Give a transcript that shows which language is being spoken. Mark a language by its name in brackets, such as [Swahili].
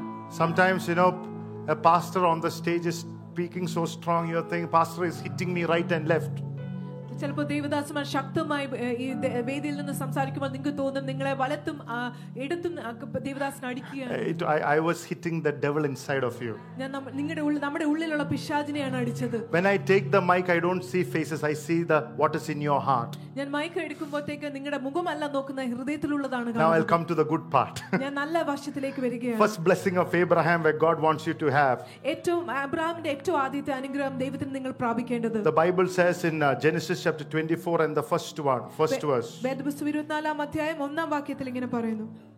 [English] Sometimes, you know, a pastor on the stage is speaking so strong, you're thinking, pastor is hitting me right and left. [Malayalam] ചിലപ്പോ ദേവദാസുമാർ ശക്തമായി ഈ വേദിയിൽ നിന്ന് സംസാരിക്കുമ്പോൾ നിങ്ങൾക്ക് തോന്നും നിങ്ങളെ വലത്തും ഇടത്തും ദേവദാസൻ അടിക്കുകയാണ്. നിങ്ങളുടെ ഉള്ളിൽ നമ്മുടെ ഉള്ളിലുള്ള പിശാചിനെയാണ് അടിച്ചത്. [English] When I take the mic, I don't see faces. I see the what is in your heart. [Malayalam] ഞാൻ മൈക്ക് എടുക്കുമ്പോഴത്തേക്ക് നിങ്ങളുടെ മുഖമല്ല നോക്കുന്ന, ഹൃദയത്തിലുള്ളതാണ് കാണുന്നത്. [English] Now I'll come to the good part. [Malayalam] ഞാൻ നല്ല വശത്തിലേക്ക് വരികയാണ്. [English] First blessing of Abraham where God wants you to have. [Malayalam] ഏറ്റവും അബ്രഹാമിന്റെ ഏറ്റവും ആദ്യത്തെ അനുഗ്രഹം ദൈവത്തിന് നിങ്ങൾ പ്രാപിക്കേണ്ടത്. [English] The Bible says in Genesis chapter 24 and the first verse. [Malayalam] Bible 24 അധ്യായം ഒന്നാം വാക്യത്തിൽ ഇങ്ങനെ പറയുന്നു.